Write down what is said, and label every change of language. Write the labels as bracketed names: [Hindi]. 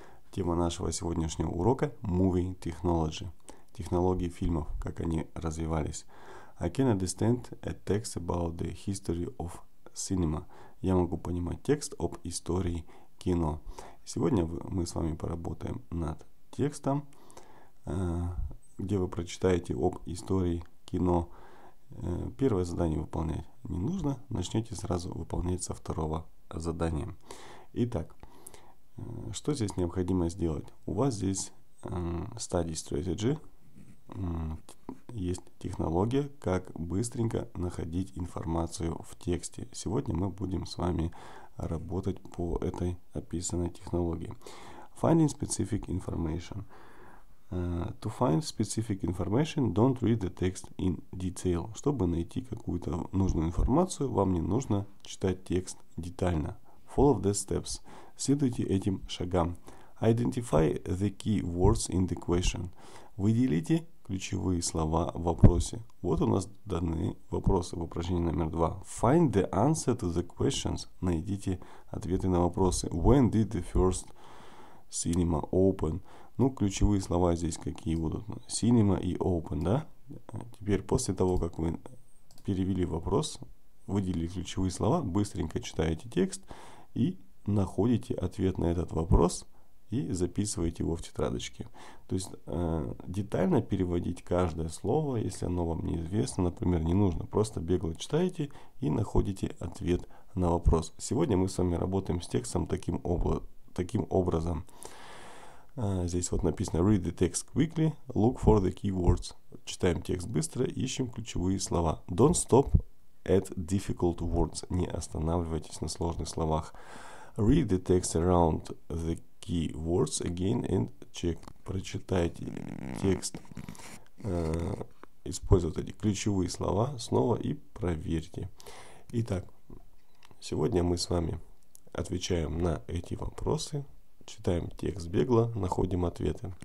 [Russian] Тема нашего сегодняшнего урока [English] – Movie Technology – [Russian] технологии фильмов, как они развивались. [English] I can understand a text about the history of cinema. [Russian] Я могу понимать текст об истории кино. Сегодня мы с вами поработаем над текстом, где вы прочитаете об истории кино. Первое задание выполнять не нужно, начнете сразу выполнять со второго задания. Итак, что здесь необходимо сделать? У вас здесь Study Strategy, есть технология, как быстренько находить информацию в тексте. Сегодня мы будем с вами работать по этой описанной технологии. [English] Finding specific information. To find specific information, don't read the text in detail. [Russian] Чтобы найти какую-то нужную информацию, вам не нужно читать текст детально. [English] Follow the steps. [Russian] Следуйте этим шагам. [English] Identify the key words in the question. [Russian] Выделите ключевые слова в вопросе. Вот у нас данные вопросы в упражнении номер 2. [English] Find the answer to the questions. [Russian] Найдите ответы на вопросы. [English] When did the first cinema open? [Russian] Ну, ключевые слова здесь какие будут? Cinema и open, да? Теперь, после того, как вы перевели вопрос, выделили ключевые слова, быстренько читаете текст и находите ответ на этот вопрос и записываете его в тетрадочке. То есть детально переводить каждое слово, если оно вам неизвестно, например, не нужно. Просто бегло читаете и находите ответ на вопрос. Сегодня мы с вами работаем с текстом таким образом. Здесь вот написано [English] read the text quickly, look for the keywords. [Russian] Читаем текст быстро, ищем ключевые слова. [English] Don't stop at difficult words. [Russian] Не останавливайтесь на сложных словах. [English] Read the text around the key words again and check. [Russian] Прочитайте текст, используя эти ключевые слова снова и проверьте. Итак, сегодня мы с вами отвечаем на эти вопросы, читаем текст бегло, находим ответы.